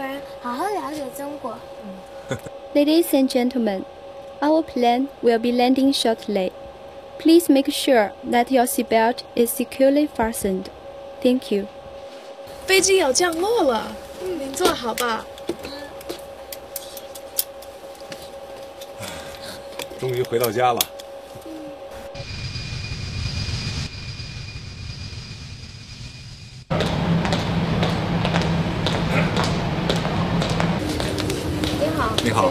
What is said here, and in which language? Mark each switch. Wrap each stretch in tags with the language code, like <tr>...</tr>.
<zh>德杰，我给你填吧。谢谢。这次公司派你来中国，真是个好机会，我们可以在中国生活一段时间了。是啊，你也可以到中国各处去看看，看看真实的中国。你最好多写一些文章，让外国人好好了解中国。Ladies</zh> <en>and gentlemen, our plane will be landing shortly. Please make sure that your seatbelt is securely fastened. Thank you.</en> <zh>飞机要降落了，您坐好吧。终于回到家了。你好。</zh>